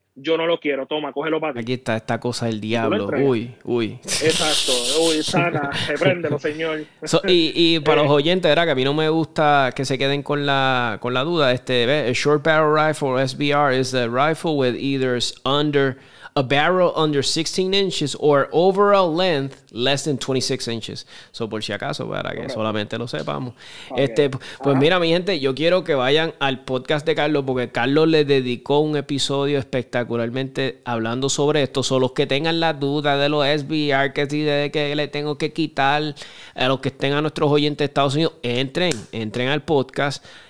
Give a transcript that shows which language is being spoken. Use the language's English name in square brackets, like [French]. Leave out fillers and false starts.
[Spanish] Yo no lo quiero, toma, cógelo para ti. Aquí está esta cosa del diablo. Uy. Exacto, uy, sana, repréndelo, señor. Y para los oyentes, ¿verdad? Que a mí no me gusta que se queden con la duda. [English] ¿Ves? A short barrel rifle, SBR, is a rifle with either a barrel under 16 inches or overall length less than 26 inches. [Spanish] So, por si acaso, para que solamente lo sepamos. Okay. Pues mira, mi gente, yo quiero que vayan al podcast de Carlos, porque Carlos le dedicó un episodio espectacularmente hablando sobre esto. So, los que tengan la duda de los SBR, que si de que le tengo que quitar, a los que estén a nuestros oyentes de Estados Unidos, entren al podcast.